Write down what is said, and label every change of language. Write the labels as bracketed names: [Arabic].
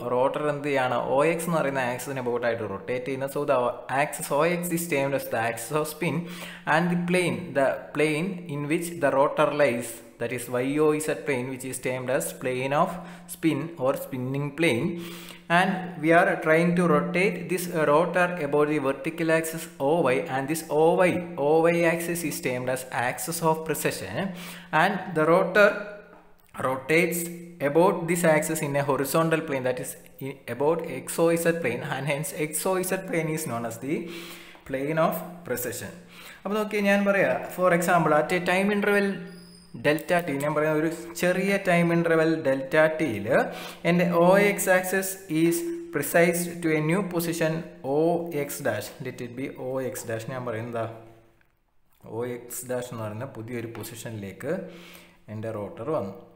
[Malayalam] Rotor എന്ത് ചെയ്യുകയാണ്, O X എന്ന് പറയുന്ന ആക്സിസിന് അബൗട്ട് ആയിട്ട് റൊട്ടേറ്റ് ചെയ്യുന്ന. [English] So the axis O X is termed the axis of spin and the plane in which the rotor lies. That is Y O is a plane which is termed as plane of spin or spinning plane. And we are trying to rotate this rotor about the vertical axis OY, and this OY axis is termed as axis of precession, and the rotor rotates about this axis in a horizontal plane, that is about XOZ plane, and hence XOZ plane is known as the plane of precession. [Malayalam] Appo okay njan paraya, [English] for example at a time interval delta T, [Malayalam] ഞാൻ പറയുന്ന ഒരു ചെറിയ [English] Time interval delta ടിയിൽ എൻ്റെ O X axis is precise to a new position O X dash. Let it be [Malayalam] O X dash, ഞാൻ പറയുന്നത് O X dash എന്ന് പറയുന്ന പുതിയൊരു പൊസിഷനിലേക്ക് എൻ്റെ റോട്ടർ വന്നു.